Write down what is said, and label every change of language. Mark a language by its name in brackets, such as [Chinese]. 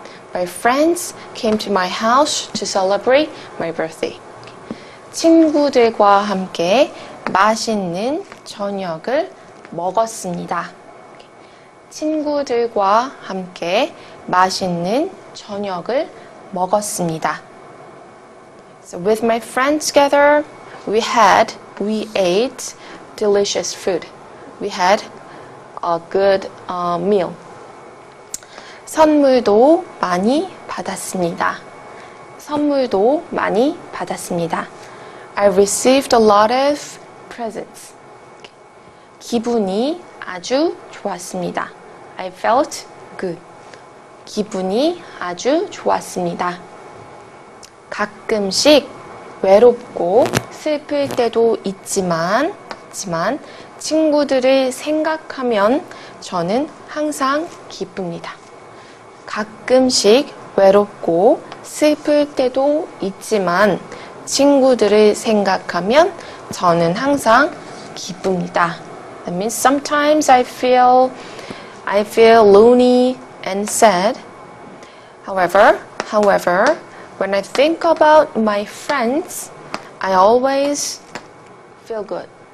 [English] My friends came to my house to celebrate my birthday. [Korean] 친구들과 함께 맛있는 저녁을 먹었습니다. 친구들과 함께 맛있는 저녁을 먹었습니다. [English] So with my friends together, we ate delicious food. We had a good meal. [Korean] 선물도 많이 받았습니다. [English] I received a lot of presents. [Korean] 기분이 아주 좋았습니다. [English] I felt good. [Korean] 기분이 아주 좋았습니다. 가끔씩 외롭고 슬플 때도 있지만 친구들을 생각하면 저는 항상 기쁩니다. 가끔씩 외롭고 슬플 때도 있지만 친구들을 생각하면 저는 항상 기쁩니다. [English] That means sometimes I feel lonely and sad. However, when I think about my friends, I always feel good.